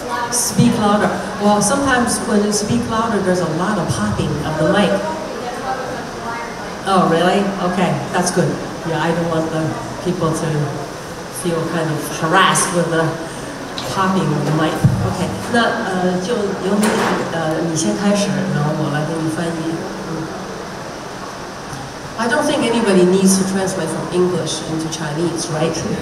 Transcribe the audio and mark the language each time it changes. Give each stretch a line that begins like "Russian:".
English: Speak louder. Well, sometimes when you speak louder, there's a lot of popping of the mic. Oh, really? Okay, that's good. Yeah, I don't want the people to feel kind of harassed with the popping of the mic.
Chinese: Okay, 那就由你先开始，然后我来给你翻译。
English: I don't think anybody needs to translate from English into Chinese, right?